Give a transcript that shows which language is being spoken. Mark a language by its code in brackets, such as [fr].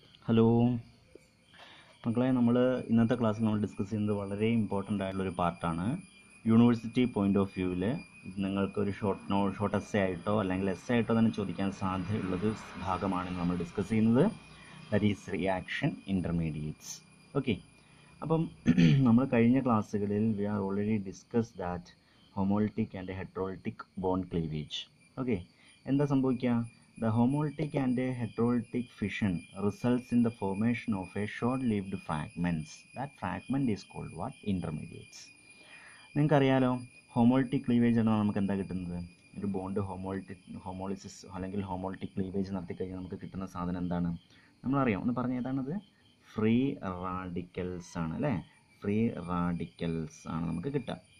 [ml] Hello മക്കളെ, നമ്മൾ ഇന്നത്തെ ക്ലാസ്സിൽ നമ്മൾ ഡിസ്കസ് ചെയ്യുന്നത് വളരെ ഇമ്പോർട്ടൻ്റ് ആയിട്ടുള്ളൊരു പാർട്ടാണ്, യൂണിവേഴ്സിറ്റി പോയിൻ്റ് ഓഫ് വ്യൂവിൽ നിങ്ങൾക്കൊരു ഷോർട്ട് നോ ഷോർട്ട് എസ്സേ ആയിട്ടോ അല്ലെങ്കിൽ എസ് ആയിട്ടോ തന്നെ ചോദിക്കാൻ സാധ്യതയുള്ളൊരു ഭാഗമാണ് നമ്മൾ ഡിസ്കസ് ചെയ്യുന്നത്. [en] That is reaction intermediates. [ml] Okay, അപ്പം നമ്മൾ കഴിഞ്ഞ ക്ലാസ്സുകളിൽ [en] We are already discuss that homolytic and heterolytic bond cleavage. [ml] Okay, എന്താ സംഭവിക്കുക? [en] The homolytic and a heterolytic fission results in the formation of a short-lived fragments. That fragment is called what? Intermediates. [ml] നിങ്ങൾക്കറിയാലോ, homolytic cleavage എന്നാൽ നമുക്ക് എന്താ കിട്ടുന്നത്? ഒരു bond ഹോമോളിസിസ് അല്ലെങ്കിൽ ഹോമോൾട്ടിക് cleavage നടത്തിക്കഴിഞ്ഞാൽ നമുക്ക് കിട്ടുന്ന സാധനം എന്താണ് നമ്മളറിയാം. ഒന്ന് പറഞ്ഞ ഏതാണത്? ഫ്രീ റാഡിക്കൽസ് ആണ് അല്ലേ, ഫ്രീ റാഡിക്കൽസ് ആണ് നമുക്ക് കിട്ടുക.